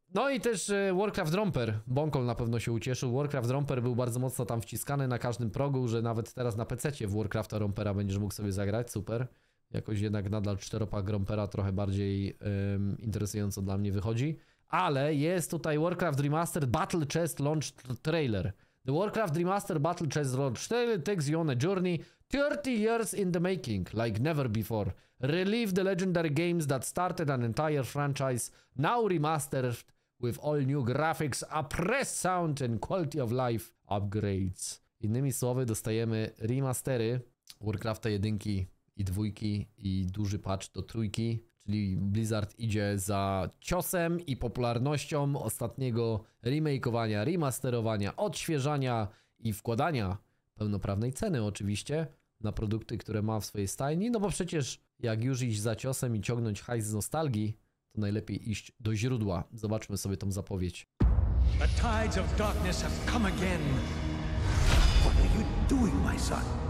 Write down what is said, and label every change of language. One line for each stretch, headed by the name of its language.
Polish: No i też Warcraft Romper. Bonkol na pewno się ucieszył. Warcraft Romper był bardzo mocno tam wciskany na każdym progu, że nawet teraz na PC-cie w Warcrafta Rompera będziesz mógł sobie zagrać. Super. Jakoś jednak nadal czteropak Rompera trochę bardziej interesująco dla mnie wychodzi. Ale jest tutaj Warcraft Remastered Battle Chest Launch Trailer.
English: The Warcraft Remastered Battle Chest Launch Trailer takes you on a journey 30 years in the making, like never before. Relive the legendary games that started an entire franchise, now remastered with all new graphics, a press sound and quality of life upgrades.
Polish: Innymi słowy, dostajemy remastery Warcrafta 1 i 2 i duży patch do 3. Czyli Blizzard idzie za ciosem i popularnością ostatniego remake'owania, remasterowania, odświeżania i wkładania pełnoprawnej ceny oczywiście na produkty, które ma w swojej stajni. No bo przecież jak już iść za ciosem i ciągnąć hajs z nostalgii, to najlepiej iść do źródła. Zobaczmy sobie tą zapowiedź.
English: The tides of darkness have come again. What are you doing, my son?